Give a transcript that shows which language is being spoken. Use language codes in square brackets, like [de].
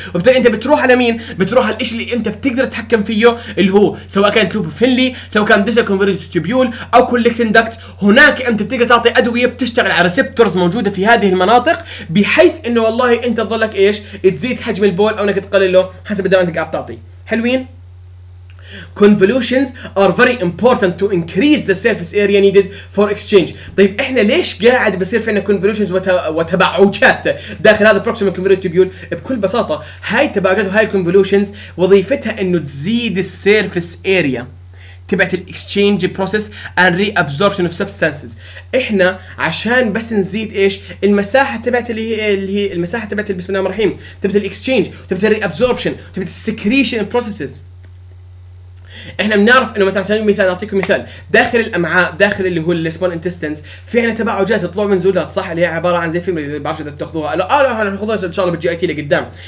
[ar] وبالتالي انت بتروح على مين؟ بتروح على الشيء اللي انت بتقدر تتحكم فيه، اللي هو سواء كان لوب فيلي، سواء كان ديسا كونفرجنت تيوبيول او كوليكتنج داكت. هناك انت بتقدر تعطي ادويه بتشتغل على ريسبتورز موجوده في هذه المناطق، بحيث انه والله انت تضلك ايش، تزيد حجم البول او انك تقلله حسب الدواء انت قاعد تعطي. حلوين. [en] convolutions are very important to increase the surface area needed for exchange. [ar] طيب احنا ليش قاعد بصير فينا convolutions وتبعوجات داخل هذا proximal convoluted tubule؟ بكل بساطه هاي التبعوجات وهاي convolutions وظيفتها انه تزيد surface area تبعت [en] الاكسشينج process and reabsorption of substances. [ar] احنا عشان بس نزيد ايش المساحه تبعت اللي هي المساحه تبعت بسم الله الرحيم تبعت الاكسشينج وتبعت الري ابزوربشن وتبعت السكريشن بروسيسز، احنا بنعرف انه مثلا مثال اعطيكم مثال داخل الامعاء، داخل اللي هو السمول انتستنس، في عندنا تبعوجات تطلع من زولات، صح، اللي هي عباره عن زي فيلم اللي بعرف اذا بتاخذوها لا ناخذها ان شاء الله بالجي اي تي لقدام.